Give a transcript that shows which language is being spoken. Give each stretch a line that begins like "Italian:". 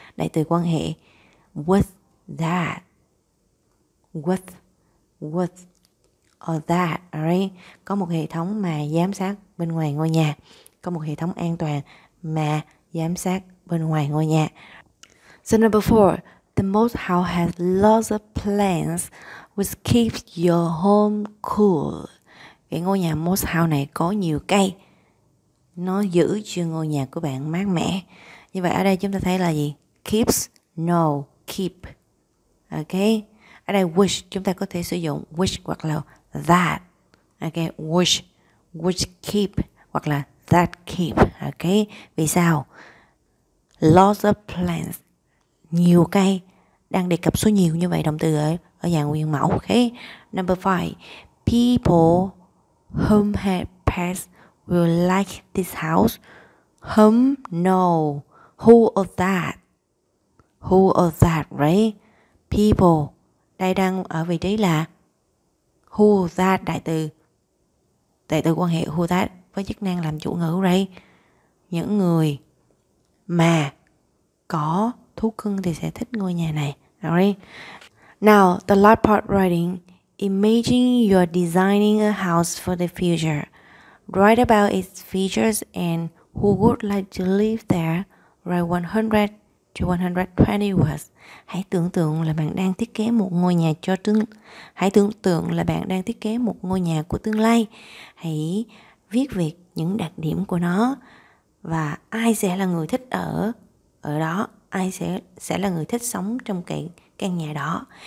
Vietnamese: Đại từ quan hệ
English: with that. With or that. Alright.
Vietnamese: Có một hệ thống mà giám sát bên ngoài ngôi nhà. Có một hệ thống an toàn mà giám sát bên ngoài ngôi nhà.
English: So number 4. The most house has lots of plants which keeps your home cool.
Vietnamese: Cái ngôi nhà most house này có nhiều cây, nó giữ cho ngôi nhà của bạn mát mẻ. Như vậy ở đây chúng ta thấy là gì?
English: Keeps, no, keep. Ok.
Vietnamese: Ở đây which chúng ta có thể sử dụng which hoặc là that.
English: Ok, which keep
Vietnamese: hoặc là
English: that keep.
Vietnamese: Ok, vì sao?
English: Lots of plants,
Vietnamese: nhiều cây, đang đề cập số nhiều như vậy, động từ ở dạng nguyên mẫu.
English: Ok. Number 5. People whom have pets will like this house. Whom? No. Who or that? Who or that, right? People.
Vietnamese: Đây đang ở vị trí là Who that đại từ. Đại từ quan hệ who that với chức năng làm chủ ngữ đây. Những người mà có thú cưng thì sẽ thích ngôi nhà này.
English: Alright. Now, the last part writing. Imagine you're designing a house for the future. Write about its features and who would like to live there. Write 100 to 120 words.
Vietnamese: Hãy tưởng tượng là bạn đang thiết kế một ngôi nhà cho tương. Hãy tưởng tượng là bạn đang thiết kế một ngôi nhà của tương lai. Hãy viết về những đặc điểm của nó và ai sẽ là người thích ở đó. Ai sẽ là người thích sống trong cái căn nhà đó.